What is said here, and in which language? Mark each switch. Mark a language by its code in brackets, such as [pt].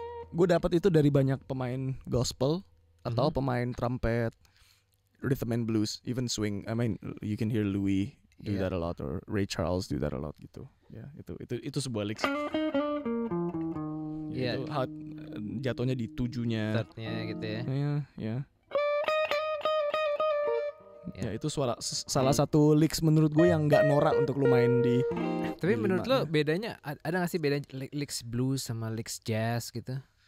[id] gue dapat itu dari banyak pemain gospel atau pemain trumpet, [en] rhythm and blues, even swing. I mean, you can hear Louis do that a lot, or Ray Charles do that a lot [id] gitu. Ya, itu sebuah lick. Ya, itu hot, jatuhnya di tujuhnya. Third-nya gitu ya. Ya, itu suara salah satu licks menurut gue yang enggak norak untuk lu main di. Tapi di menurut lo bedanya ada enggak sih beda licks blues sama licks jazz gitu?